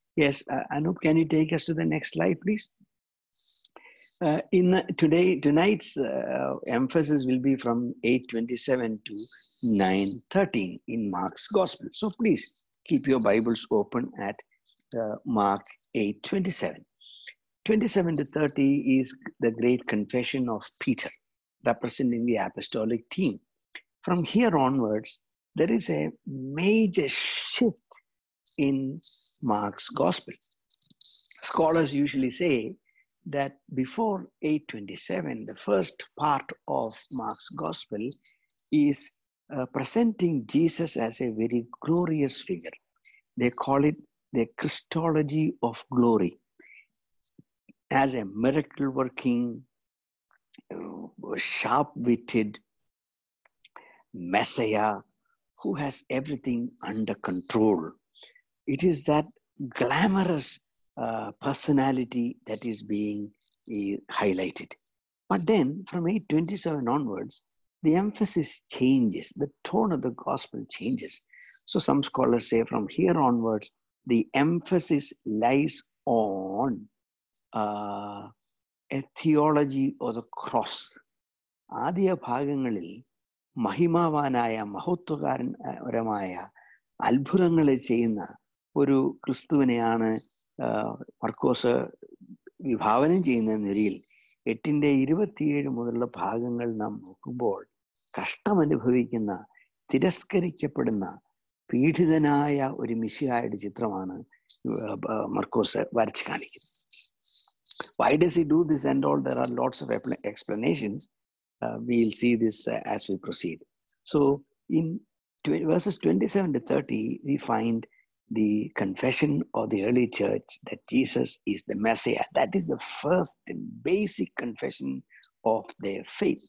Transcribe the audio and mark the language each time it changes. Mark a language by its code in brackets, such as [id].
[en] Yes Anoop, can you take us to the next slide please. ഇന്ന് today tonight's emphasis will be from 8:27 to 9:13 in Mark's gospel. So please keep your Bibles open at Mark 8:27 to 30 is the great confession of Peter representing the apostolic team. From here onwards there is a major shift in Mark's gospel. Scholars usually say that before 8:27, the first part of Mark's gospel is presenting Jesus as a very glorious figure. They call it the Christology of glory, as a miracle working, sharp witted messiah who has everything under control. It is that glamorous personality that is being highlighted. But then from 8:27 onwards, the emphasis changes, the tone of the gospel changes. So some scholars say from here onwards, the emphasis lies on a theology of the cross. [ml] Adiya bhagangalil മഹിമാവാനായ മഹത്വകാരൻപരമായ അത്ഭുതങ്ങൾ ചെയ്യുന്ന ഒരു ക്രിസ്തുവിനെയാണ് മർക്കോസ് വിഭാവനം ചെയ്യുന്ന നിരയിൽ 8:27 മുതലുള്ള ഭാഗങ്ങൾ നാം നോക്കുമ്പോൾ കഷ്ടമനുഭവിക്കുന്ന തിരസ്കരിക്കപ്പെടുന്ന പീഡിതനായ ഒരു മിശിഹായുടെ ചിത്രമാണ് മർക്കോസ് വരച്ചു കാണിക്കുന്നത്. [en] Why does he do this and all, there are lots of explanations. We'll see this as we proceed. So in verses 27 to 30, we find the confession of the early church that Jesus is the Messiah. That is the first basic confession of their faith.